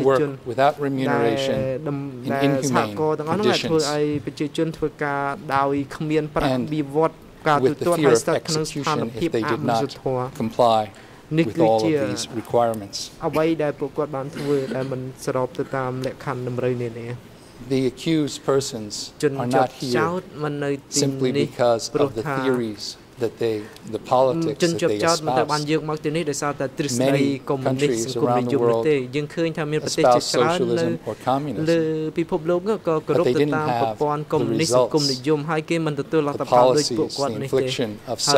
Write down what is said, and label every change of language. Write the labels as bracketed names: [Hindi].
[Khmer] ជនដែលដំណើរសហការទាំងនោះ ធ្វើឲ្យប្រជាជនធ្វើការដោយគ្មានប្រាក់បៀវត្សរ៍ការទូទាត់ហើយស្ថិតក្នុងស្ថានភាពអមនុស្សធម៌ [English] comply with all of these requirements. [Khmer] អ្វីដែលពួកគាត់បានធ្វើដែលមិនស្របទៅតាមលក្ខខណ្ឌតម្រូវនានា [English] The accused persons are not here simply because of the theories that they the politics that they espouse. [Khmer] ជនជាប់ចោត បានយកមកទីនេះដោយសារតែទ្រឹស្ដីកុំមុនីសង្គមនិយមទេយើងឃើញថាមានប្រទេសជាច្រើនលើពិភពលោកក៏គោរពទៅតាមប្រព័ន្ធកុំមុនីសង្គមនិយមហើយគេមិនទទួលលទ្ធផលដូចពួកគាត់នេះទេហ